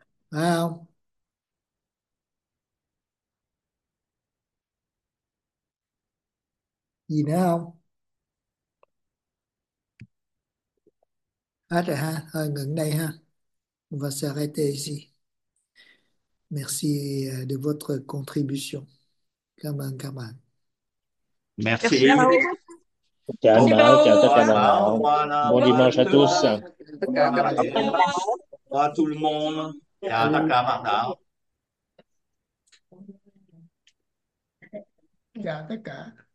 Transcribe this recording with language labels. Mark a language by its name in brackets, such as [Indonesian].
[Vietnamese] Không? Gì nữa không? Hết rồi ha, thôi ngừng đây ha. [French] On va s'arrêter ici. Merci de votre contribution. [Vietnamese] Cảm ơn các bạn. [French] Merci. [Vietnamese] Chào anh Bảo, chào tất cả mọi người. [French] Au revoir. Bon dimanche à tous. Au revoir. Au revoir tout le monde. [Vietnamese] Chào tất cả bạn đạo. Chào tất cả.